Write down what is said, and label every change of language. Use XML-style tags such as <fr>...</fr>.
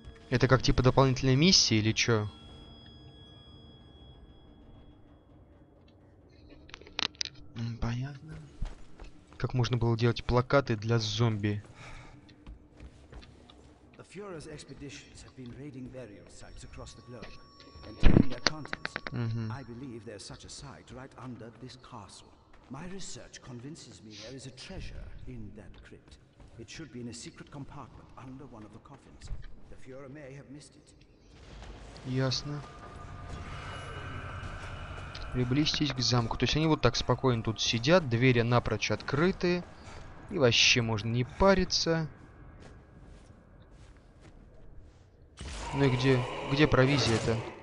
<ru>Это как типа дополнительная миссия или чё? Понятно. Как можно было делать плакаты для зомби?</ru> <en>The Führer's expeditions have been raiding burial sites across the globe and taking their contents. I believe there's such a site right under this castle. My research convinces me there is a treasure in that crypt. It should be in a secret compartment under one of the coffins. The Führer may have missed it.</en> <ru>Ясно. Приблизьтесь к замку. То есть они вот так спокойно тут сидят, двери напрочь открыты. И вообще можно не париться. Ну и где? Где провизия-то?</ru>